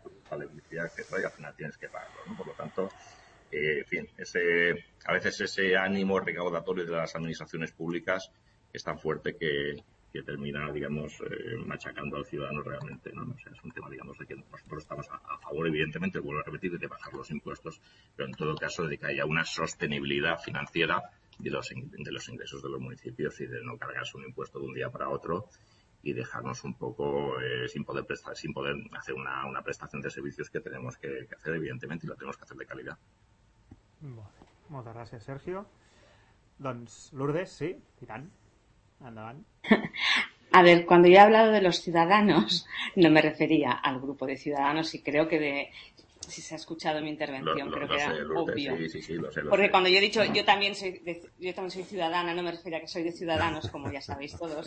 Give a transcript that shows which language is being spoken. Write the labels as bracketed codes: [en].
[es] La electricidad que trae, al final tienes que pagarlo, ¿no? Por lo tanto, en fin, a veces ese ánimo recaudatorio de las administraciones públicas es tan fuerte que termina, digamos, machacando al ciudadano realmente, ¿no? O sea, es un tema, digamos, de que nosotros estamos a favor, evidentemente, vuelvo a repetir, de bajar los impuestos, pero en todo caso de que haya una sostenibilidad financiera de los ingresos de los municipios y de no cargarse un impuesto de un día para otro y dejarnos un poco sin poder hacer una prestación de servicios que tenemos que hacer, evidentemente, y lo tenemos que hacer de calidad. [ca] Bueno, moltes gràcies, Sergio. Doncs, Lourdes, sí, i tant. Endavant. [es] A ver, cuando yo he hablado de los ciudadanos, no me refería al grupo de ciudadanos y creo que si se ha escuchado mi intervención, creo que era obvio. Sí, lo sé. Cuando yo he dicho, yo también soy ciudadana, no me refería a que soy de Ciudadanos, como ya sabéis todos.